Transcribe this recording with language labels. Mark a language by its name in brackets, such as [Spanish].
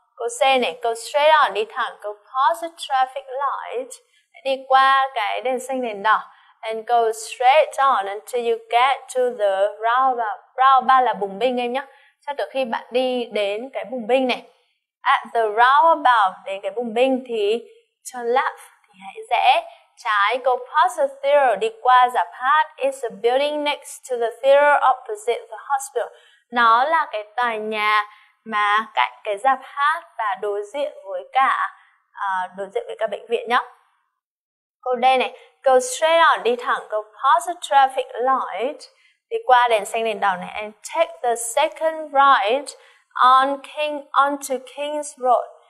[Vietnamese] Câu C này, [English] go straight on, [Vietnamese] đi thẳng, [English] go past the traffic light, [Vietnamese] đi qua cái đèn xanh đèn đỏ, [English] and go straight on until you get to the roundabout. [Vietnamese] Roundabout là bùng binh em nhé, cho tới khi bạn đi đến cái bùng binh này. [English] At the roundabout, [Vietnamese] đến cái bùng binh thì [English] turn left, [Vietnamese] thì hãy rẽ trái, [English] go past the theater, [Vietnamese] đi qua rạp hát. [English] It's a building next to the theater opposite the hospital. [Vietnamese] Nó là cái tòa nhà mà cạnh cái rạp hát và đối diện với cả bệnh viện nhé. Câu D này, [English] go straight on, [Vietnamese] đi thẳng, [English] go past the traffic light, [Vietnamese] đi qua đèn xanh đèn đỏ này, [English] and take the second right onto King's Road.